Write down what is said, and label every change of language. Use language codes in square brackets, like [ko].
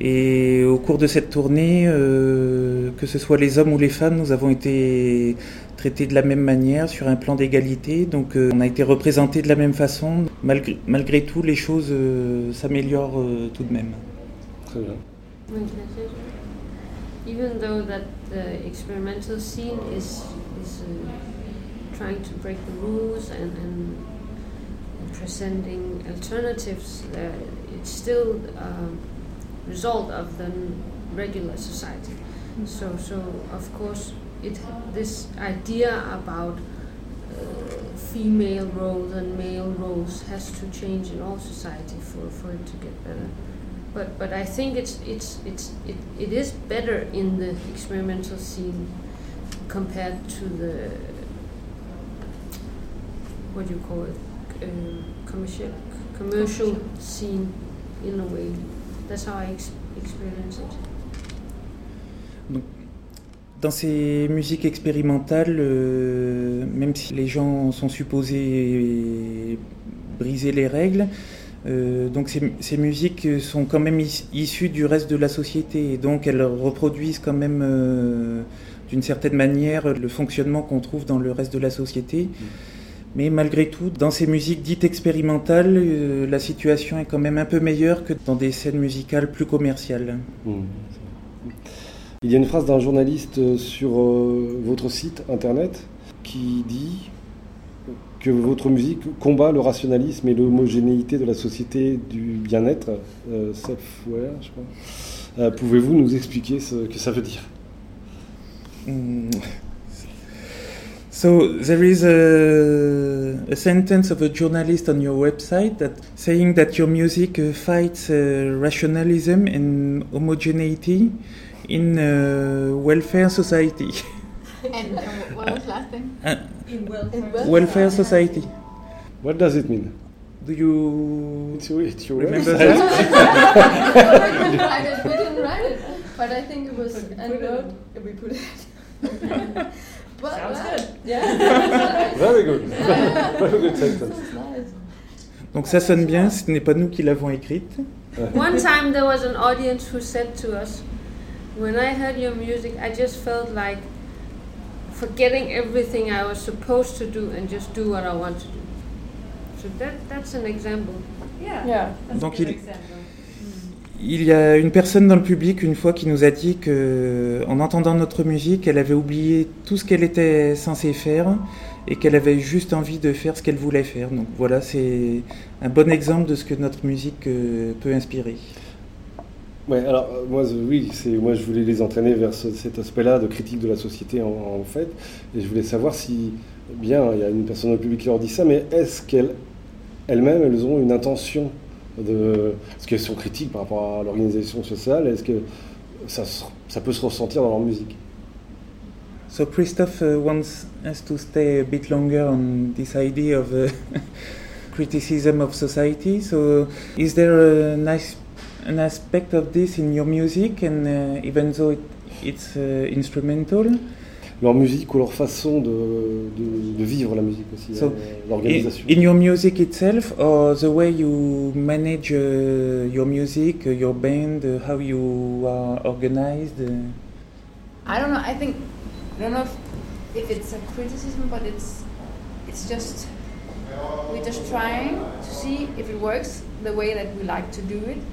[fr] Et au cours de cette tournée, que ce soit les hommes ou les femmes, nous avons été traités de la même manière sur un plan d'égalité. Donc on a été représentés de la même façon. Malgré tout, les choses s'améliorent tout de même. Très bien. [en] Even though that the experimental scene is trying to break the rules and presenting alternatives, it's still a result of the regular society. Mm-hmm. So of course, this idea about female roles and male roles has to change in all society for it to get better. But I think it is better in the experimental scene compared to the commercial scene, in a way. That's how I experience it. [fr] Donc, dans ces musiques expérimentales, même si les gens sont supposés briser les règles. Donc ces musiques sont quand même issues du reste de la société, et donc elles reproduisent quand même d'une certaine manière le fonctionnement qu'on trouve dans le reste de la société. Mais malgré tout, dans ces musiques dites expérimentales, la situation est quand même un peu meilleure que dans des scènes musicales plus commerciales. Il y a une phrase d'un journaliste sur votre site internet qui dit que votre musique combat le rationalisme et l'homogénéité de la société du bien-être, [en] self-aware, [fr] je crois. Pouvez-vous nous expliquer ce que ça veut dire? [en] So there is a sentence of a journalist on your website that saying that your music fights rationalism and homogeneity in a welfare society. And what was the last thing? In welfare society. What does it mean? Do you it's your remember website? That? I didn't write it, but I think it was we put it. But sounds that, good. Yeah. Very good. Very good sentence. [fr] Donc ça sonne bien. Ce n'est pas nous qui l'avons écrite. [en] One time there was an audience who said to us, "When I heard your music, I just felt like forgetting everything I was supposed to do and just do what I want to do. So that's an example. Yeah. That's [fr] donc [en] a good example. [fr] Il y a une personne dans le public une fois qui nous a dit que en entendant notre musique, elle avait oublié tout ce qu'elle était censée faire et qu'elle avait juste envie de faire ce qu'elle voulait faire. Donc voilà, c'est un bon exemple de ce que notre musique peut inspirer. Ouais, alors moi je voulais les entraîner vers cet aspect-là de critique de la société en fait, et je voulais savoir si bien il y a une personne au public qui leur dit ça, mais est-ce qu'elles elles-mêmes elles ont une intention de ce qu'elles sont critiques par rapport à l'organisation sociale, est-ce que ça peut se ressentir dans leur musique? [en] So Christophe wants us to stay a bit longer on this idea of criticism of society. So is there a nice an aspect of this in your music, and even though it's instrumental, [fr] leur musique ou leur façon de vivre la musique aussi, [en] so [fr] l'organisation. [en] In your music itself, or the way you manage your music, your band, how you are organized. I don't know. I don't know if it's a criticism, but it's just we're just trying to see if it works the way that we like to do it.